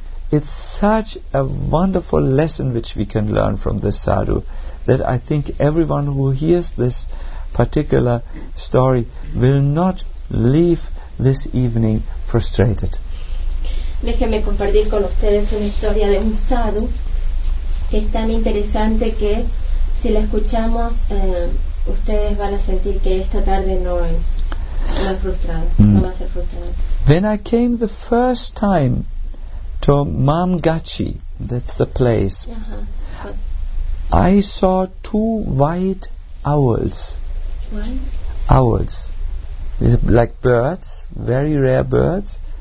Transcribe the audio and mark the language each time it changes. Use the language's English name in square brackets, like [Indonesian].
[English] It's such a wonderful lesson which we can learn from this sadhu that I think everyone who hears this particular story will not leave this evening frustrated. [Spanish] Déjenme compartir con ustedes una historia de un sadhu que es tan interesante que si la escuchamos ustedes van a sentir que esta tarde no va a ser frustrada. [English] When I came the first time to Mamgachi, that's the place. Uh-huh. I saw 2 white owls. What? Owls. These are like birds, very rare birds.